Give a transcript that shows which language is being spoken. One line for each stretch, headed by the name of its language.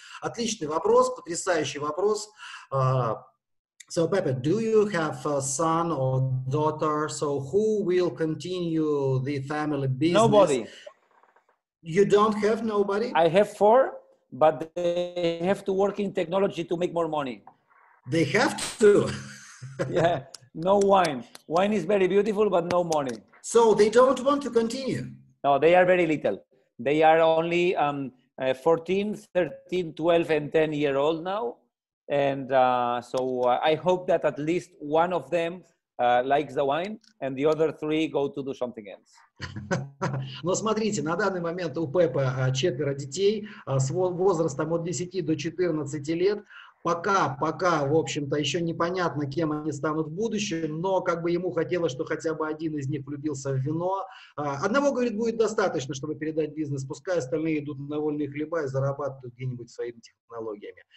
Russian: Отличный вопрос, потрясающий вопрос.
English: So, Pepe, do you have a son or daughter? So, who will continue the family business? Nobody. You don't have nobody? I have four, but they have to work in technology to make more money. They have to? Yeah, no wine. Wine is very beautiful, but no money. So, they don't want to continue? No, they are very little. They are only 14, 13, 12, and 10 year old now. And so I hope that at least one of them likes the wine, and the other three go to do something else.
Russian: Но смотрите, на данный момент у Пеппа четверо детей с возрастом от 10 до 14 лет. Пока, в общем-то, еще непонятно, кем они станут в будущем, но как бы ему хотелось, что хотя бы один из них влюбился в вино. Одного, говорит, будет достаточно, чтобы передать бизнес, пускай остальные идут на вольные хлеба и зарабатывают где-нибудь своими технологиями.